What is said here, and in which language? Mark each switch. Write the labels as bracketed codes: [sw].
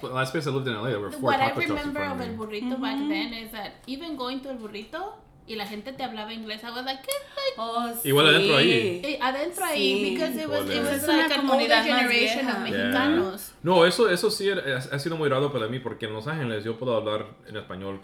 [en] The last place I lived in LA, there were four taco shops. What I remember of El Burrito back then is that even going to El Burrito. [es] Y la gente te hablaba inglés. [en] I was like, [es] igual adentro ahí. Adentro ahí. [en] Because it was like a comunidad older generation of Mexicanos. Yeah. [es] No, eso sí ha sido muy raro para mí. Porque en Los Ángeles yo puedo hablar en español.